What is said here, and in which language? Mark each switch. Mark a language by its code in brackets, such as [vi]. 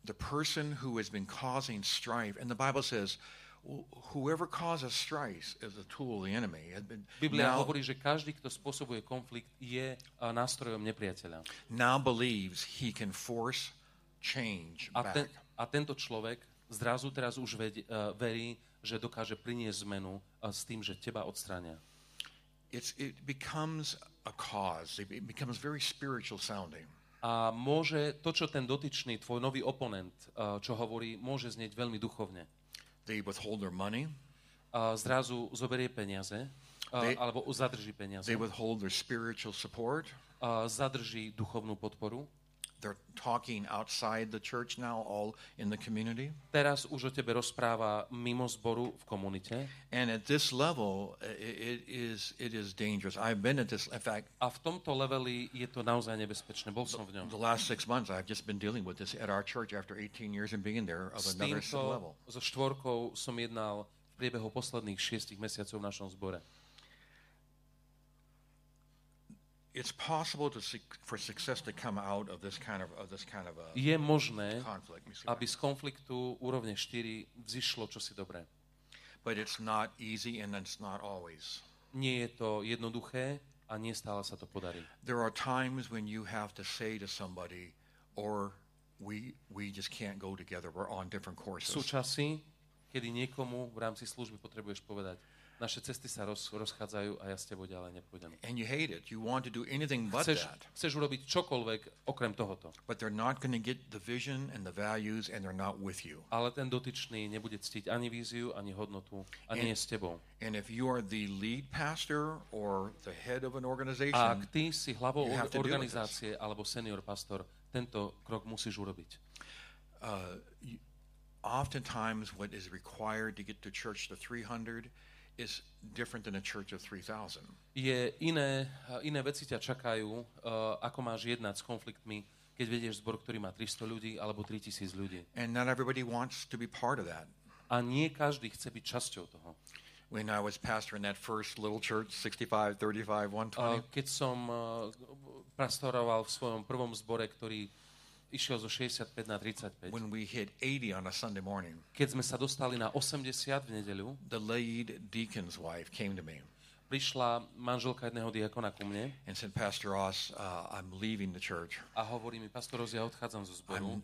[en] The person who has been causing strife, and the Bible says, whoever causes strife is a tool of the enemy. [sk] Biblia hovorí, že každý, kto spôsobuje konflikt, je nástrojom nepriateľa. [en] Now believes he can force change back. [sk] A tento človek zrazu teraz už verí, že dokáže priniesť zmenu s tým, že teba odstrania. [en] It becomes a cause. It becomes very spiritual sounding. [sk] A môže to, čo ten dotyčný, tvoj nový oponent, čo hovorí, môže znieť veľmi duchovne. [en] They withhold their money. [sk] Zrazu zoberie peniaze, alebo zadrží peniaze. [en] They withhold their spiritual support. [sk] Zadrží duchovnú podporu. [en] They're talking outside the church now, all in the community. [sk] Teraz už o tebe rozpráva mimo zboru v komunite. [en] And at this level, it is dangerous. I've been at this, in fact. [sk] A v tomto leveli je to naozaj nebezpečné. Bol som v ňom. [en] The last six months, I've just been dealing with this at our church after 18 years and being there of another level. [sk] So štvorkou som jednal v priebehu posledných 6 mesiacov v našom zbore. [en] It's possible to for success to come out of this kind of a [sk] je možné, conflict, aby z konfliktu úrovne 4 vzišlo čosi dobré. [en] But it's not easy and it's not always. [sk] Nie je to jednoduché a nie stále sa to podarí. [en] There are times when you have to say to somebody or we just can't go together, we're on different courses. [sk] Sú časy, kedy niekomu v rámci služby potrebuješ povedať: naše cesty sa rozchádzajú a ja s tebou ďalej nepôjdem. [en] And you hate it. You want to do anything but that. [sk] Chceš urobiť čokoľvek okrem tohoto. [en] But they're not going to get the vision and the values and they're not with you. [sk] Ale ten dotyčný nebude ctiť ani víziu, ani hodnotu, ani nie s tebou. [en] And if you are the lead pastor or the head of an organization, [sk] ak ty si hlavou organizácie alebo senior pastor, tento krok musíš urobiť. [en] Oftentimes what is required to get to church to 300 is different than a church of 3000. [sk] Je iné veci ťa čakajú, ako máš jednať s konfliktmi, keď vedieš zbor, ktorý má 300 ľudí alebo 3000 ľudí. [en] And not everybody wants to be part of that. [sk] A nie každý chce byť časťou toho. [en] When I was pastor in that first little church, 65, 35, 120. [sk] Keď som pastoroval v svojom prvom zbore, ktorý išiel zo 65 na 35. [en] When we hit 80 on a Sunday morning. [sk] Keď sme sa dostali na 80 v nedeľu. [en] The lead deacon's wife came to me. [sk] Prišla manželka jedného diakona ku mne. [en] And said, Pastor Ross, I'm leaving the church. [sk] A hovorí mi: Pastor Ross, ja odchádzam zo zboru.